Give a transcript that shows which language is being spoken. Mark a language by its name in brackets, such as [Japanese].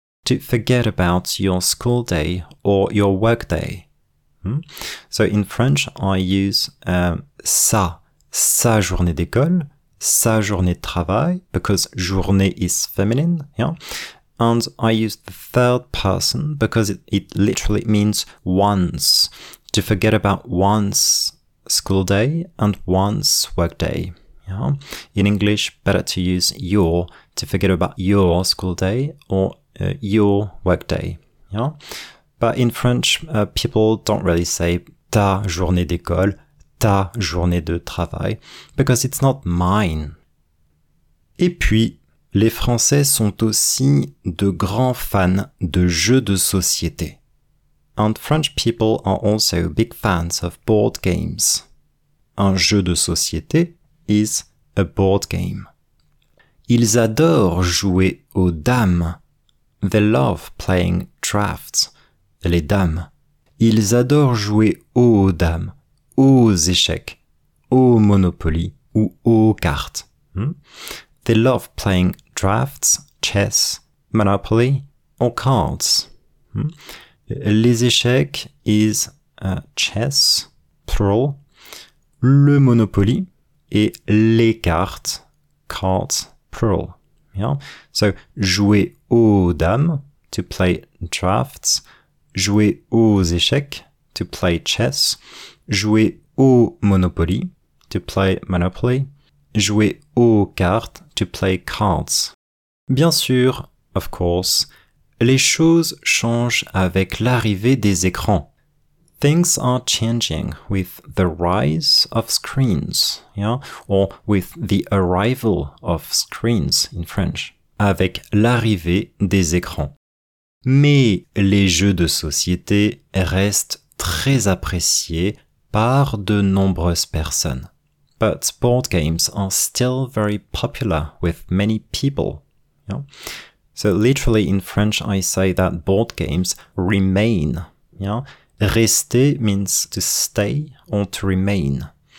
[English] To forget about your school day or your work day. So in French, I use [French] sa journée d'école, sa journée de travail, [English] because journée is feminine, yeah? And I use the third person because it literally means once, to forget about one's school day and one's work day. Yeah? In English, better to use your, to forget about your school day or your work day. Yeah? But in French, people don't really say [French] ta journée d'école, ta journée de travail, [English] because it's not mine. [French] Et puis, les Français sont aussi de grands fans de jeux de société. [English] And French people are also big fans of board games. [French] Un jeu de société [English] is a board game. [French] Ils adorent jouer aux dames. [English] They love playing draughts. [French] Les dames. Ils adorent jouer aux dames, aux échecs, aux Monopoly ou aux cartes. [English] They love playing drafts, chess, monopoly, or cards. [French] Les échecs [English] is chess, plural. [French] Le monopoly et les cartes, cards, plural. Yeah? [English] So, [French] jouer aux dames, [English] to play drafts. [French] Jouer aux échecs, [English] to play chess. [French] Jouer au monopoly, [English] to play monopoly. [French] Jouer aux cartes, [English] to play cards. [French] Bien sûr, [English] of course, [French] les choses changent avec l'arrivée des écrans. [English] Things are changing with the rise of screens, yeah, or with the arrival of screens in French, [French] avec l'arrivée des écrans. Mais les jeux de société restent très appréciés par de nombreuses personnes. [English] But board games are still very popular with many people. So literally in French, I say that board games remain. Yeah? Rester means to stay or to remain.